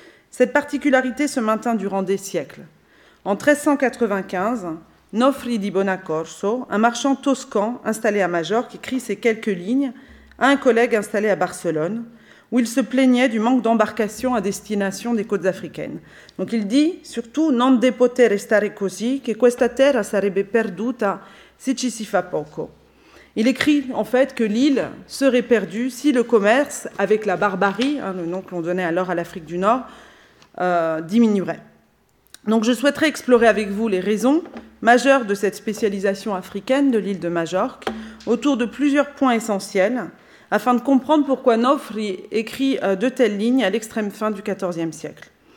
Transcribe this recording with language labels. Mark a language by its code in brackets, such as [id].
[fr] Cette particularité se maintint durant des siècles. En 1395, Nofri di Bonacorso, un marchand toscan installé à Majorque, écrit ces quelques lignes à un collègue installé à Barcelone, où il se plaignait du manque d'embarcations à destination des côtes africaines. Donc il dit surtout [it] « Non de poter restare così, che questa terra sarebbe perduta se ci si fa poco ». [fr] Il écrit en fait que l'île serait perdue si le commerce avec la barbarie, le nom que l'on donnait alors à l'Afrique du Nord, diminuerait. Donc je souhaiterais explorer avec vous les raisons majeures de cette spécialisation africaine de l'île de Majorque autour de plusieurs points essentiels afin de comprendre pourquoi Nofri écrit de telles lignes à l'extrême fin du XIVe siècle.